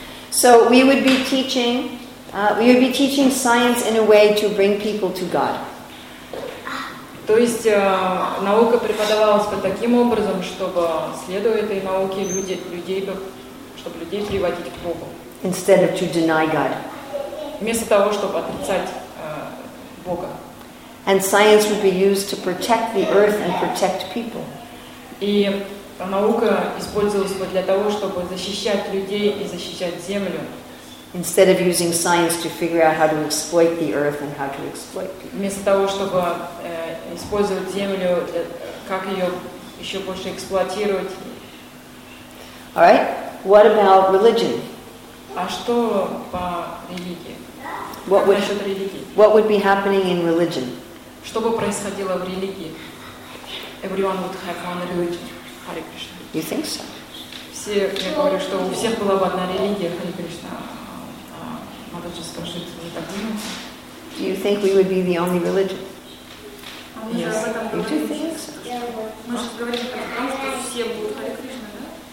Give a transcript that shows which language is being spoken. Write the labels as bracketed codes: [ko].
[en] So we would be teaching, science in a way to bring people to God. [ru] То есть наука преподавалась бы таким образом, чтобы, следуя этой науке, людей приводить к Богу. [en] Instead of to deny God. [ru] Вместо того, чтобы отрицать Бога. [en] And science would be used to protect the earth and protect people. [ru] И наука использовалась бы для того, чтобы защищать людей и защищать землю. [en] Instead of using science to figure out how to exploit the earth and how to exploit people. [ru] Вместо того, чтобы использовать землю, как ее еще больше эксплуатировать. [en] All right. What about religion? [ru] А что по религии? [en] What would be happening in religion? [ru] Что бы происходило в религии? [en] Everyone would have one religion. Hare Krishna. You think so? [ru] Все, я говорю, что у всех была бы одна религия, Hare Krishna. Надо же спрашивать, вы так думаете? [en] Do you think we would be the only religion? Yes. You do think so? [ru] Мы же говорим о том, что все будут Харе Кришна, да?